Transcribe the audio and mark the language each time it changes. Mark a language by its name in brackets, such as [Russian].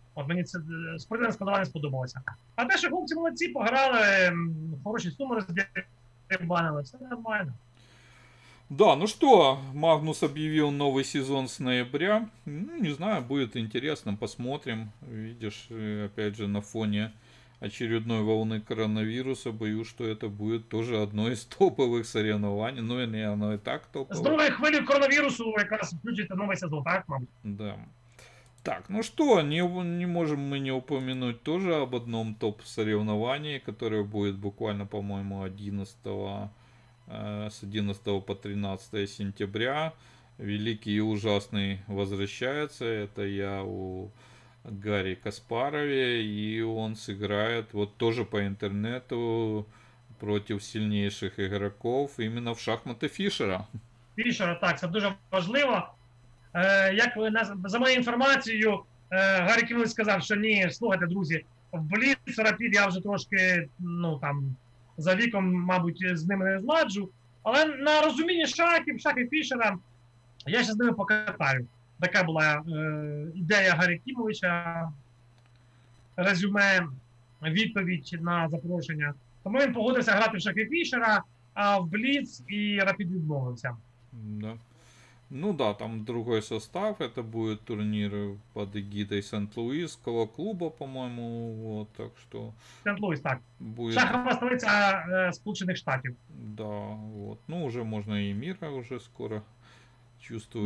[Ukrainian] От мені це спортивне складування сподобалося. А те, що хлопці молодці, пограли, хороші суми розділили, банили, все нормально. [Russian] Да, ну что, Магнус объявил новый сезон с ноября. Ну, не знаю, будет интересно, посмотрим. Видишь, опять же, на фоне очередной волны коронавируса, боюсь, что это будет тоже одно из топовых соревнований. Ну, и не, оно и так топовое. [Ukrainian] Здоровая хвиля коронавирусу якраз включить новий сезон, так, мабуть. [Russian] Да. Так, ну что, не можем мы не упомянуть тоже об одном топ-соревновании, которое будет буквально, по-моему, 11 с 11 по 13 сентября. Великий и ужасный возвращается. Это я у Гарри Каспарове. И он сыграет вот тоже по интернету против сильнейших игроков именно в шахматы Фишера. [Ukrainian] Фішера, так, це дуже важливо. Як ви, за моєю інформацією, Гаррі Кінгс сказав, що ні, слухайте, друзі, в Бліц Рапід я вже трошки, ну там, за віком, мабуть, з ними не зладжу. Але на розуміння шахів, шахів Фішера, я ще з ними покатаю. Така була ідея Гаррі Кінгса, резюме, відповідь на запрошення. Тому він погодився грати в шахи Фішера, а в Бліц і Рапід відмовився. [Russian] Да. Ну да, там другой состав, это будет турнир под эгидой Сент-Луисского клуба, по-моему, вот, так что... Сент-Луис, так. Будет... [Ukrainian] Шахова столица Сполученных Штатов. [Russian] Да, вот, ну уже можно и мира уже скоро, чувствую,